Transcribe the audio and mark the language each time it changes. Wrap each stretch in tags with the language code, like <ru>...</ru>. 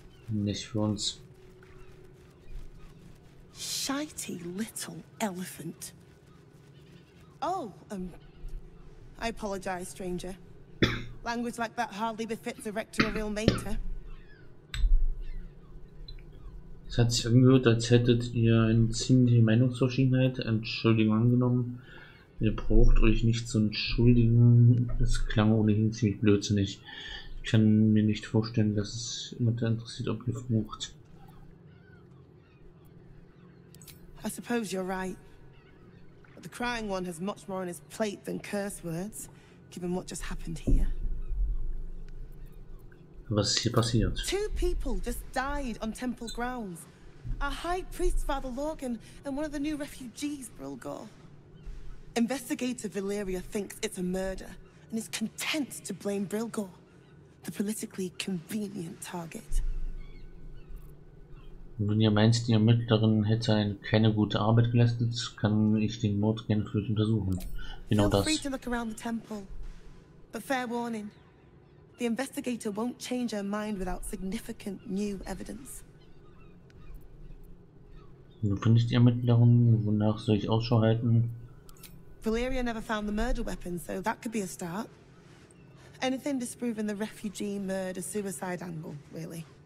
<de>Nicht für uns.</de> <en>Shitey little elephant. Oh, I apologize, stranger. Language like that hardly befits the rector of Ilmater.</en> <de>Es hat sich angehört, als hättet ihr eine ziemliche Meinungsverschiedenheit. Entschuldigung angenommen. Ihr braucht euch nicht zu entschuldigen. Es klang ohnehin ziemlich blödsinnig. Ich kann mir nicht vorstellen, dass es jemand interessiert, ob ihr flucht.</de> <en>I suppose you're right. But the crying one has much more on his plate than curse words, given what just happened here.</en> <de>Was ist hier passiert?</de> <en>Two people just died on temple grounds. Our high priest Father Lorcan and one of the new refugees, Brilgor. Investigator Valeria thinks it's a murder, and is content to blame Brilgor, the politically convenient target.</en> <de>Wenn ihr meinst, die Ermittlerin hätte keine gute Arbeit geleistet, kann ich den Mord gerne für euch untersuchen. Genau das.</de> <en>Feel free to look around the temple, but fair warning. The investigator won't change her mind without significant new evidence.</en> <de>Wo finde ich die Ermittlerin? Wonach soll ich Ausschau halten?</de> <en>Valeria never found the murder weapon, so that could be a start. Anything disproving the refugee murder suicide angle, really.</en>